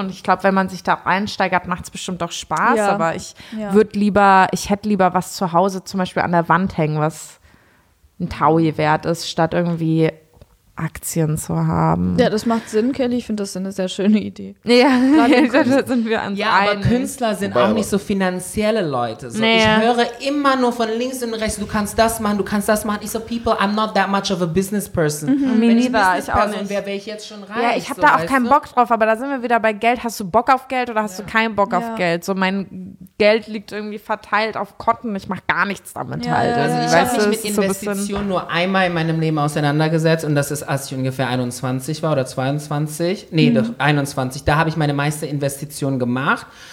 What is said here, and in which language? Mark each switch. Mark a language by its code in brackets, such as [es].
[de] Und ich glaube, wenn man sich da reinsteigert, macht es bestimmt auch Spaß. Ja. Aber ich würde lieber, ich hätte lieber was zu Hause zum Beispiel an der Wand hängen, was ein Taui wert ist, statt irgendwie Aktien zu haben. Ja, das macht Sinn, Kelly. Ich finde, das ist eine sehr schöne Idee. Ja, da sind wir uns einig. Aber Künstler sind auch nicht so finanzielle Leute. So, ich höre immer nur von links und rechts, du kannst das machen, du kannst das machen. Ich so, [en] people, I'm not that much of a business person. [de] Wenn ich Business ich auch nicht. Wäre ich jetzt schon reich. Ja, ich habe da auch keinen Bock drauf, aber da sind wir wieder bei Geld. Hast du Bock auf Geld oder hast du keinen Bock auf Geld? So, mein Geld liegt irgendwie verteilt auf Kotten. Ich mache gar nichts damit halt. Also, ich habe mich mit Investitionen nur einmal in meinem Leben auseinandergesetzt und das ist, als ich ungefähr 21 war oder 22, nee, doch 21, da habe ich meine meiste Investition gemacht.